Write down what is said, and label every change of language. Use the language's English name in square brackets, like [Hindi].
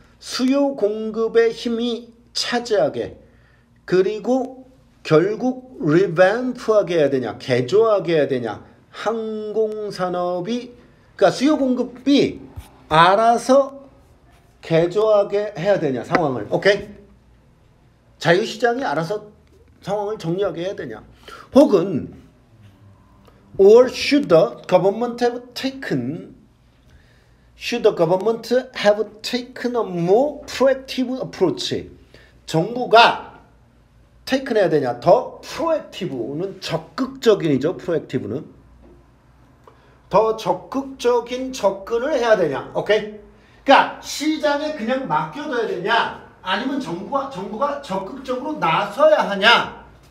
[Korean] 수요 공급의 힘이 차지하게 그리고 결국 리뱀프하게 해야 되냐, 개조하게 해야 되냐, 항공산업이, 그러니까 수요 공급이 알아서 개조하게 해야 되냐, 상황을. 오케이? 자유시장이 알아서 상황을 정리하게 해야 되냐. [English] 혹은, or should the government have taken, should the government have taken a more proactive approach? [Korean] 정부가 테이크 해야 되냐? 더 프로액티브는 적극적인이죠. 프로액티브는 더 적극적인 접근을 해야 되냐? 오케이. 그러니까 시장에 그냥 맡겨둬야 되냐? 아니면 정부가 적극적으로 나서야 하냐?